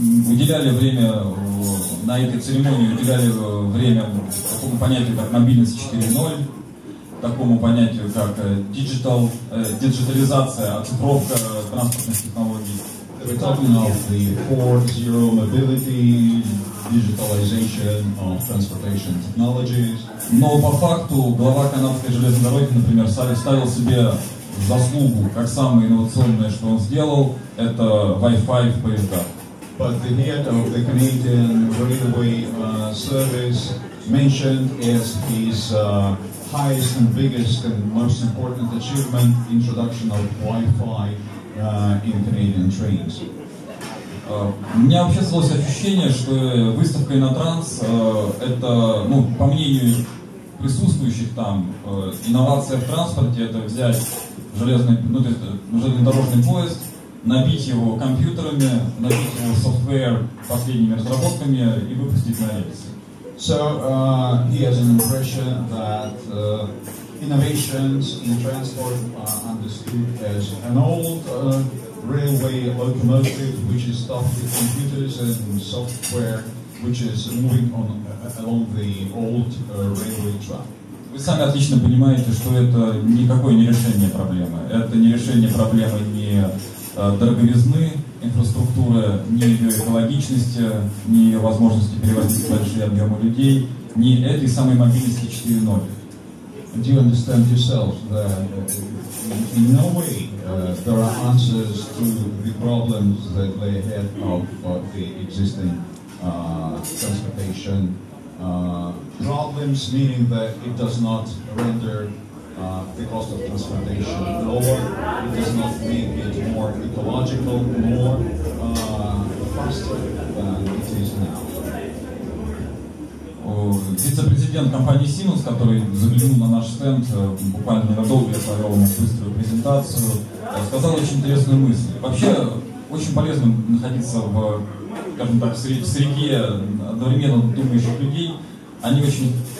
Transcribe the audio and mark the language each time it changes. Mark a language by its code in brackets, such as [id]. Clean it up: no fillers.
[ru] Уделяли время на этой церемонии, уделяли время такому понятию, как мобильность 4.0, такому понятию, как digital, диджитализация, оцифровка транспортных технологий. [en] We're talking of the 4.0 mobility, digitalization of transportation technologies. [ru] Но по факту глава канадской железной дороги, например, ставил себе заслугу, как самое инновационное, что он сделал, это Wi-Fi в поездах. [en] But the head of the Canadian Railway Service mentioned as his highest and biggest and most important achievement introduction of Wi-Fi in Canadian trains. [ru] У меня вообще создалось ощущение, что выставка Иннотранс это, ну, по мнению присутствующих там, инновация в транспорте — это взять железнодорожный поезд, набить его компьютерами, набить его софтвер последними разработками и выпустить на рельсы. [en] So he has an impression that innovations in transport are understood as an old railway locomotive which is stuffed with computers and software which is moving on along the old railway track. [ru] Вы сами отлично понимаете, что это никакое не решение проблемы. Это не решение проблемы не дороговизны инфраструктуры, ни ее экологичности, ни ее возможности перевозить большие объемы людей, ни этой самой мобильности 4.0. [en] Do you understand yourself that in no way there are answers to the problems that lay ahead of the existing transportation problems, meaning that it does not render the cost of transportation lower, it does not make it more ecological, more faster than it is now. [ru] Вице-президент компании Siemens, который заглянул на наш стенд буквально ненадолго, я провел ему быструю презентацию, сказал очень интересную мысль. Вообще, очень полезно находиться в, скажем так, в среде одновременно думающих людей. Они очень